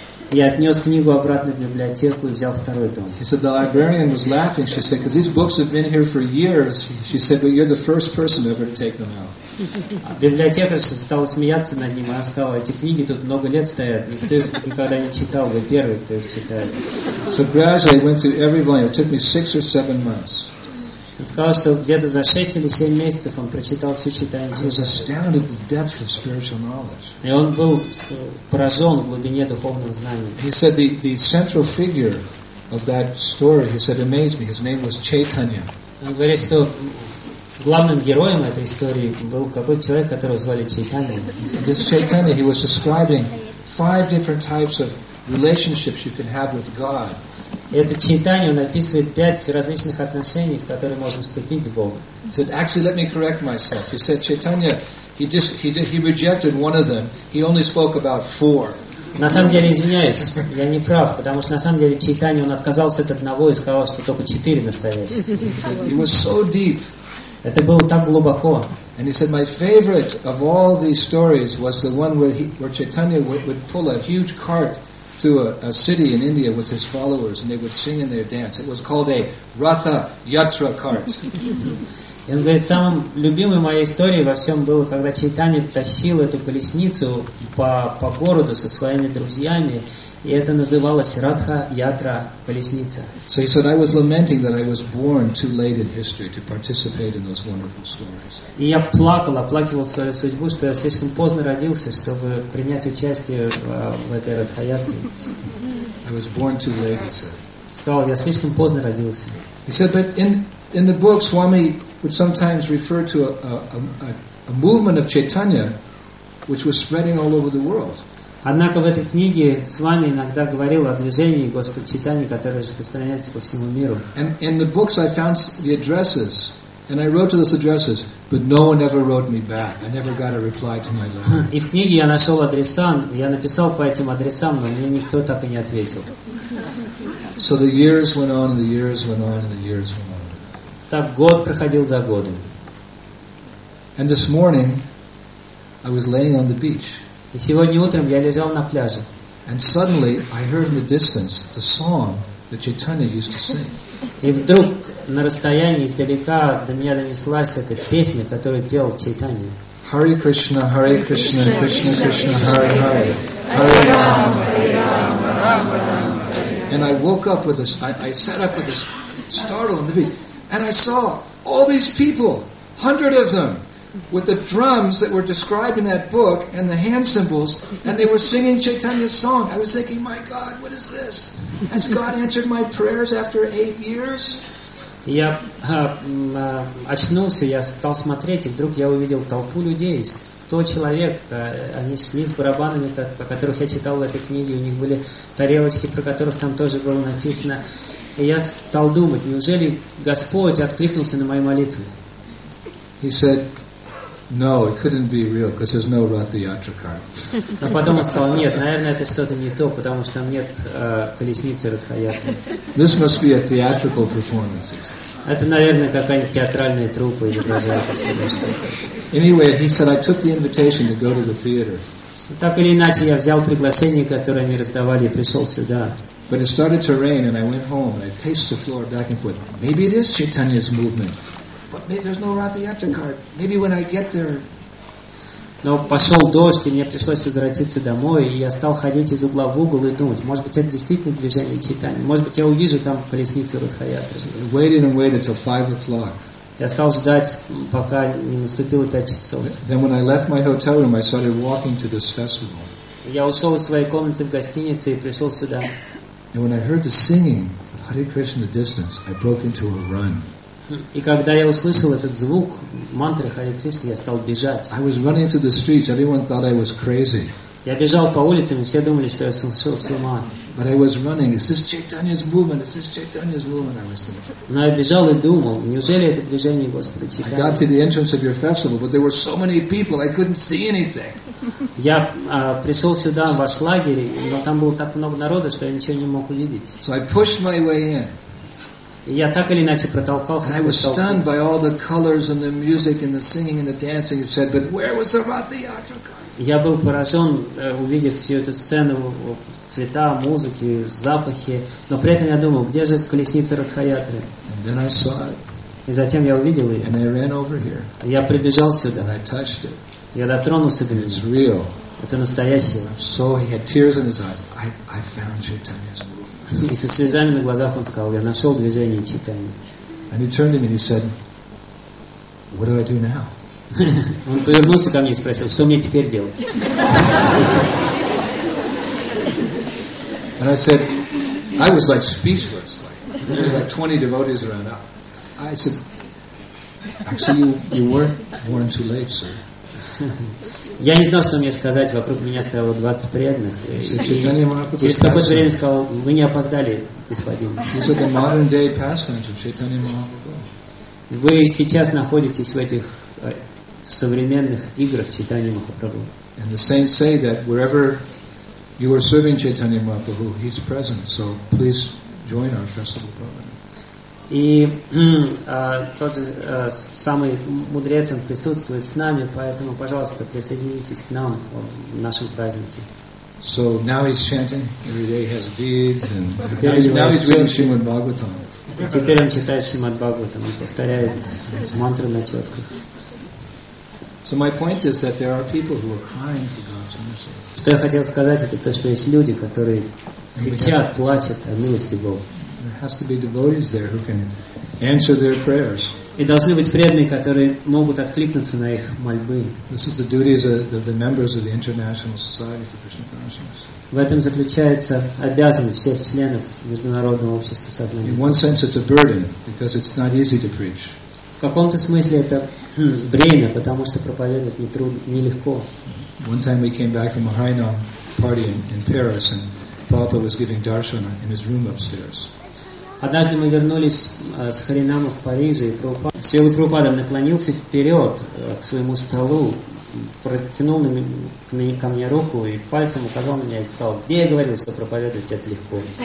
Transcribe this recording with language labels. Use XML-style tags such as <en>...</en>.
<ru>Я отнес книгу обратно в библиотеку и взял второй том.</ru> <en>He said, the librarian was laughing. She said, because these books have been here for years. She said, but you're the first person ever to take them out.</en> <ru>Библиотекарша стала смеяться над ним, и она сказала, эти книги тут много лет стоят, никто их никогда не читал, вы первый, кто их читает.</ru> <en>So gradually I went through every volume. It took me 6 or 7 months.</en> <ru>Он сказал, что где-то за 6 или 7 месяцев он прочитал всю Чайтанью.</ru> <en>I was astounded at the depth of spiritual knowledge.</en> <ru>И он был поражен в глубине духовного знания.</ru> <en>He said the central figure of that story, he said, amazed me. His name was Chaitanya.</en> <ru>Он говорит, что главным героем этой истории был какой-то человек, которого звали Чайтанья.</ru> <en>This Chaitanya, he was describing 5 different types of relationships you can have with God.</en> <ru>Этот Чайтанья описывает 5 различных отношений, в которые можно вступить с Богом.</ru> <en>He said, actually, let me correct myself. He said, Chaitanya, he rejected one of them. He only spoke about 4.</en> <ru>На самом деле, извиняюсь, я не прав, потому что на самом деле Чайтанья, он отказался от одного и сказал, что только 4 настоящих.</ru> <en>He was so deep.</en> <ru>Это было так глубоко.</ru> <en>And he said, my favorite of all these stories was the one where Chaitanya would pull a huge cart through a city in India with his followers, and they would sing in their dance. It was called a Ratha Yatra cart.</en> <ru>И он говорит, самым любимой моей историей во всем было, когда Чайтанья тащил эту колесницу по городу со своими друзьями, и это называлось Ратха Ятра колесница.</ru> <en>So he said, I was lamenting that I was born too late in history to participate in those wonderful stories.</en> <ru>И я оплакивал свою судьбу, что я слишком поздно родился, чтобы принять участие в этой Ратха Ятре.</ru> <en>I was born too late, he said.</en> <ru>Сказал, я слишком поздно родился.</ru> <en>He said, but in the book, Swami would sometimes refer to a movement of Chaitanya which was spreading all over the world.</en> <ru>Однако в этой книге Свами иногда говорил о движении Господа Чайтаньи, которое распространяется по всему миру.</ru> <en>And in the books I found the addresses, and I wrote to those addresses, but no one ever wrote me back. I never got a reply to my letter.</en> <ru>И в книге я нашел адреса, я написал по этим адресам, но мне никто так и не ответил.</ru> <en>So the years went on, and the years went on, and the years went on.</en> <ru>Так год проходил за годом.</ru> <en>And this morning, I was laying on the beach.</en> <ru>И сегодня утром я лежал на пляже.</ru> <en>And suddenly I heard in the distance the song that Chaitanya used to sing.</en> <ru>И вдруг на расстоянии издалека до меня донеслась эта песня, которую пел Чайтанья.</ru> <sa>Hare Krishna, Hare Krishna, Krishna Krishna, Hare Hare. Hare Rama, Hare Rama, Rama Rama.</sa> <en>And I woke up with this, I sat up with this startled on the beach, and I saw all these people, 100 of them, with the drums that were described in that book and the hand symbols, and they were singing Chaitanya's song. I was thinking, my God, what is this? Has God answered my prayers after 8 years?</en> <ru>Я очнулся, я стал смотреть, и вдруг я увидел толпу людей. 100 человек, они шли с барабанами, по которых я читал в этой книге, у них были тарелочки, про которых там тоже было написано. И я стал думать, неужели Господь откликнулся на мои молитвы?</ru> <en>He said, No, it couldn't be real because there's no Ratha Yatra car.</en> <ru>Но потом он сказал: нет, наверное, это что-то не то, потому что там нет колесницы Ратха Ятры.</ru> <en>This must be a theatrical performance.</en> <ru>Это, наверное, какая-нибудь театральная труппа изображает из себя что-то.</ru> <en>Anyway, he said, I took the invitation to go to the theater.</en> <ru>Так или иначе, я взял приглашение, которое они раздавали, и пришел сюда.</ru> <en>But it started to rain, and I went home, and I paced the floor back and forth. Maybe it is Chaitanya's movement. But maybe there's no Ratha Yatra card. Maybe when I get there...</en> <ru>Но пошел дождь, и мне пришлось возвратиться домой, и я стал ходить из угла в угол и думать, может быть, это действительно движение Чайтаньи. Может быть, я увижу там колесницу Ратха Ятры.</ru> <en>Waited and waited till 5 o'clock.</en> <ru>Я стал ждать, пока не наступило 5 часов.</ru> <en>Then when I left my hotel room, I started walking to this festival.</en> <ru>Я ушел из своей комнаты в гостинице и пришел сюда.</ru> <en>And when I heard the singing of Hare Krishna in the distance, I broke into a run.</en> <ru>И когда я услышал этот звук мантры Харе Кришны, я стал бежать.</ru> <en>I was running through the streets. Everyone thought I was crazy.</en> <ru>Я бежал по улицам, и все думали, что я сошел с ума.</ru> <en>But I was running. Is this Chaitanya's movement? Is this Chaitanya's movement? I was thinking.</en> <ru>Но я бежал и думал, неужели это движение Господа Чайтаньи?</ru> <en>I got to the entrance of your festival, but there were so many people, I couldn't see anything.</en> <ru>Я пришел сюда, в ваш лагерь, но там было так много народа, что я ничего не мог увидеть.</ru> <en>So I pushed my way in.</en> <ru>Я так или иначе протолкался.</ru> <en>And I was stunned by all the colors and the music and the singing and the dancing. He said, but where was the Ratha Yatra car?</en> <ru>Я был поражен, увидев всю эту сцену, цвета, музыки, запахи, но при этом я думал, где же колесница Ратха Ятры?</ru> <en>And then I saw it.</en> <ru>И затем я увидел ее.</ru> <en>And I ran over here.</en> <ru>Я прибежал сюда.</ru> <en>And I touched it.</en> <ru>Я дотронулся до нее.</ru> <en>It's real.</en> <ru>Это настоящее.</ru> <en>So he had tears in his eyes. I found Chaitanya's movement.</en> <ru>И со слезами на глазах он сказал, я нашел движение Чайтаньи.</ru> <en>And he turned to me and he said, what do I do now?</en> <ru>Он повернулся ко мне и спросил, что мне теперь делать?</ru> <en>And I said, I was like speechless. Like, there were like 20 devotees around. I said, actually, you were born too late, sir.</en> <ru>Я не знал, что мне сказать. Вокруг меня стояло 20 преданных. Через какое-то время сказал, вы не опоздали, господин.</ru> <en>He said, the modern day pastimes of Chaitanya Mahaprabhu.</en> <ru>Вы сейчас находитесь в этих современных играх Чайтаньи Махапрабху.</ru> <en>And the saints say that wherever you are serving Chaitanya Mahaprabhu, he's present. So please join our festival program.</en> <ru>И тот же самый мудрец, он присутствует с нами, поэтому, пожалуйста, присоединитесь к нам в нашем празднике.</ru> <en>So now he's chanting every day, has beads, and now he's reading Shrimad Bhagavatam.</en> <ru>Теперь он читает Шримад Бхагаватам, он повторяет мантру на четках.</ru> <en>So my point is that there are people who are crying for God's mercy.</en> <ru>Что я хотел сказать, это то, что есть люди, которые кричат, плачут о милости Бога.</ru> <en>There has to be devotees there who can answer their prayers.</en> <ru>И должны быть преданные, которые могут откликнуться на их мольбы.</ru> <en>This is the duty of the members of the International Society for Krishna Consciousness.</en> <ru>В этом заключается обязанность всех членов Международного общества сознания.</ru> <en>In one sense, it's a burden because it's not easy to preach.</en> <ru>В каком-то смысле это бремя, потому что проповедовать не трудно, не легко.</ru> <en>One time we came back from a Harinam party in Paris, and Prabhupada was giving darshan in his room upstairs.</en> <ru>Однажды мы вернулись с Харинама в Париже, и Сила Прабхупада наклонился вперед к своему столу, протянул ко мне руку и пальцем указал на меня и сказал, где я говорил, что проповедовать это легко.</ru>